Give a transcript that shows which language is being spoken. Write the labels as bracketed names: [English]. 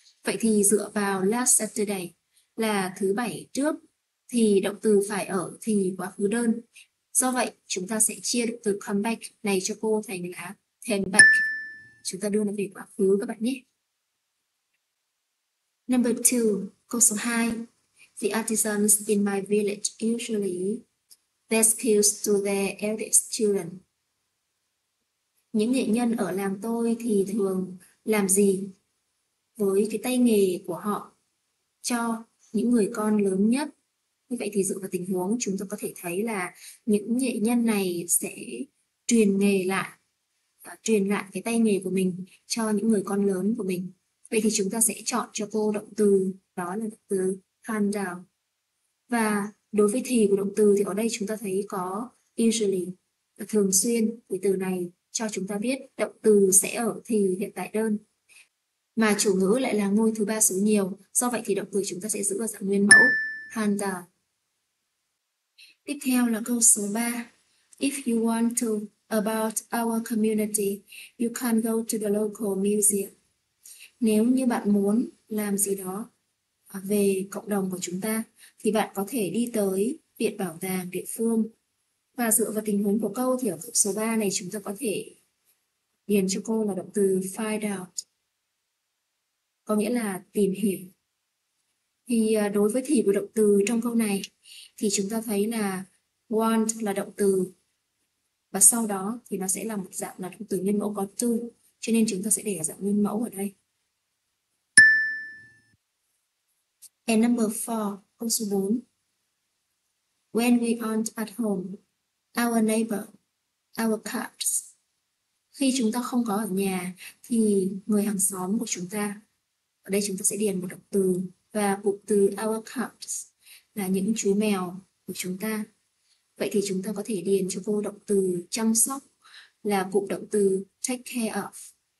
[Vietnamese] Vậy thì dựa vào last Saturday là thứ bảy trước thì động từ phải ở thì quá khứ đơn. Do vậy chúng ta sẽ chia động từ come back này cho cô thành là came back. Chúng ta đưa nó về quá khứ các bạn nhé. [English] Number 2, [Vietnamese] câu số 2. [English] The artisans in my village usually rescue to their eldest children. [Vietnamese] Những nghệ nhân ở làng tôi thì thường làm gì với cái tay nghề của họ cho những người con lớn nhất? Như vậy thì dựa vào tình huống chúng ta có thể thấy là những nghệ nhân này sẽ truyền nghề lại, truyền lại cái tay nghề của mình cho những người con lớn của mình. Vậy thì chúng ta sẽ chọn cho cô động từ, đó là động từ hand down. Và đối với thì của động từ thì ở đây chúng ta thấy có usually, thường xuyên, thì từ này cho chúng ta biết động từ sẽ ở thì hiện tại đơn. Mà chủ ngữ lại là ngôi thứ ba số nhiều, do vậy thì động từ chúng ta sẽ giữ ở dạng nguyên mẫu, hand down. Tiếp theo là câu số 3. [English] If you want to about our community, you can go to the local museum. [Vietnamese] Nếu như bạn muốn làm gì đó về cộng đồng của chúng ta, thì bạn có thể đi tới viện bảo tàng địa phương. Và dựa vào tình huống của câu thì ở câu số 3 này chúng ta có thể điền cho cô là động từ find out, có nghĩa là tìm hiểu. Thì đối với thì của động từ trong câu này thì chúng ta thấy là want là động từ và sau đó thì nó sẽ là một dạng là động từ nguyên mẫu có to, cho nên chúng ta sẽ để ở dạng nguyên mẫu ở đây. [English] And number 4, [Vietnamese] câu số 4. [English] When we aren't at home, our neighbor, our cats. [Vietnamese] Khi chúng ta không có ở nhà thì người hàng xóm của chúng ta, ở đây chúng ta sẽ điền một động từ và cụm từ our cats là những chú mèo của chúng ta. Vậy thì chúng ta có thể điền cho cô động từ chăm sóc là cụm động từ take care of.